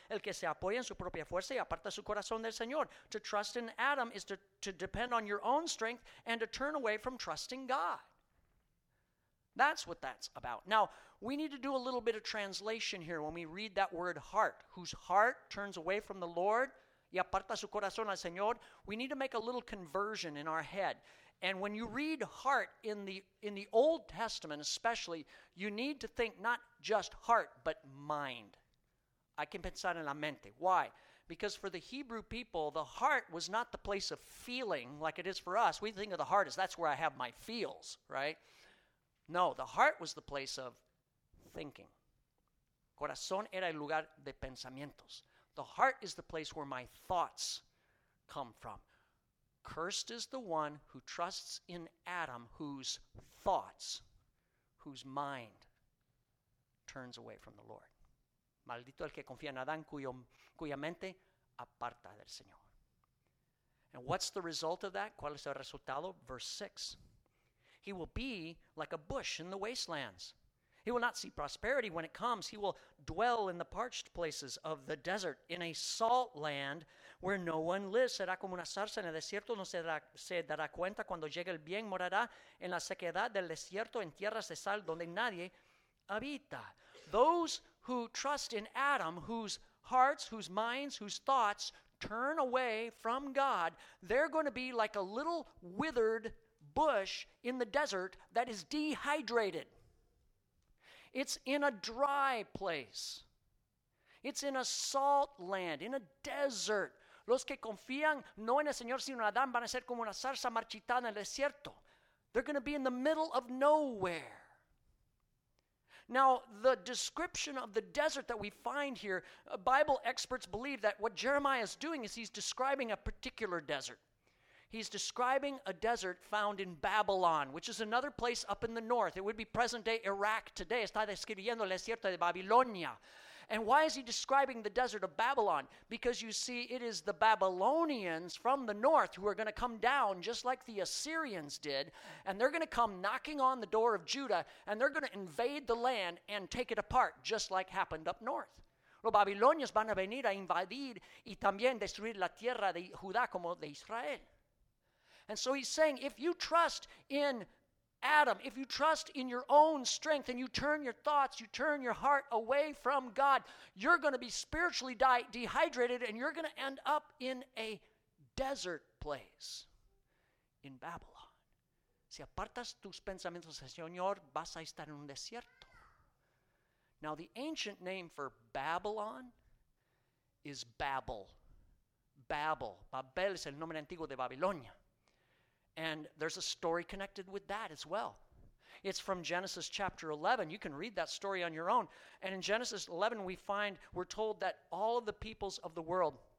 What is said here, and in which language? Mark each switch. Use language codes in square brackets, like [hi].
[es] El que se apoya en su propia fuerza y aparta su corazón del Señor. [en] To trust in Adam is to depend on your own strength and to turn away from trusting God. That's what that's about. Now, we need to do a little bit of translation here when we read that word heart. Whose heart turns away from the Lord [es] y aparta su corazón al Señor. [en] We need to make a little conversion in our head. And when you read heart in the Old Testament especially, you need to think not just heart, but mind. [es] Hay que pensar en la mente. [en] Why? Because for the Hebrew people, the heart was not the place of feeling like it is for us. We think of the heart as that's where I have my feels, right? No, the heart was the place of thinking. [es] Corazón era el lugar de pensamientos. [en] The heart is the place where my thoughts come from. Cursed is the one who trusts in Adam, whose thoughts, whose mind turns away from the Lord. [es] Maldito el que confía en Adán, cuya mente aparta del Señor. [en] And what's the result of that? [es] ¿Cuál es el resultado? [en] Verse 6. He will be like a bush in the wastelands. He will not see prosperity when it comes. He will dwell in the parched places of the desert, in a salt land where no one lives. [es] Será como una zarza en el desierto, no se dará cuenta cuando llegue el bien, morará en la sequedad del desierto, en tierras de sal donde nadie habita. [en] Those who trust in Adam, whose hearts, whose minds, whose thoughts turn away from God, they're going to be like a little withered bush in the desert that is dehydrated. It's in a dry place. It's in a salt land, in a desert. [es] Los que confían no en el Señor sino en Adán van a ser como una zarza marchitada en el desierto. [en] They're going to be in the middle of nowhere. Now, the description of the desert that we find here, Bible experts believe that what Jeremiah is doing is he's describing a particular desert. He's describing a desert found in Babylon, which is another place up in the north. It would be present-day Iraq today. [es] Está describiendo el desierto de Babilonia. [en] And why is he describing the desert of Babylon? Because you see, it is the Babylonians from the north who are going to come down just like the Assyrians did, and they're going to come knocking on the door of Judah, and they're going to invade the land and take it apart just like happened up north. [es] Los babilonios van a venir a invadir y también destruir la tierra de Judá como de Israel. [en] And so he's saying, if you trust in Adam, if you trust in your own strength and you turn your thoughts, you turn your heart away from God, you're going to be spiritually dehydrated and you're going to end up in a desert place in Babylon. [es] Si apartas tus pensamientos del Señor, vas a estar en un desierto. [en] Now, the ancient name for Babylon is Babel. Babel. [es] Babel es el nombre antiguo de Babilonia. [en] And there's a story connected with that as well. It's from Genesis chapter 11. You can read that story on your own. And in Genesis 11, we're told that all of the peoples of the world